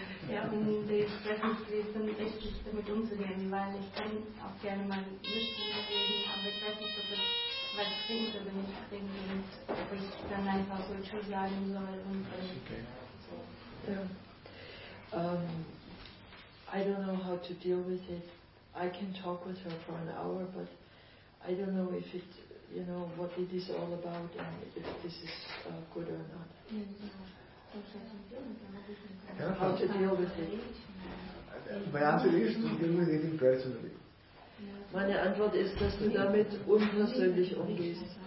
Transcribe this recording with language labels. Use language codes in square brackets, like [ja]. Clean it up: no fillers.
[de] Ja, und ich weiß nicht, wie es dann echt ist, damit umzugehen, weil ich kann auch gerne mal nicht reden, aber ich weiß nicht, ob ich was kriege oder nicht kriege und ob ich dann einfach so Tschüss sagen soll und so. [en] Okay. I don't know how to deal with it. I can talk with her for an hour, but I don't know if it, you know, what it is all about and if this is good or not. Yeah. How to deal with it? My answer is to deal with it personally. [de] Meine Antwort ist, dass du damit unpersönlich umgehst.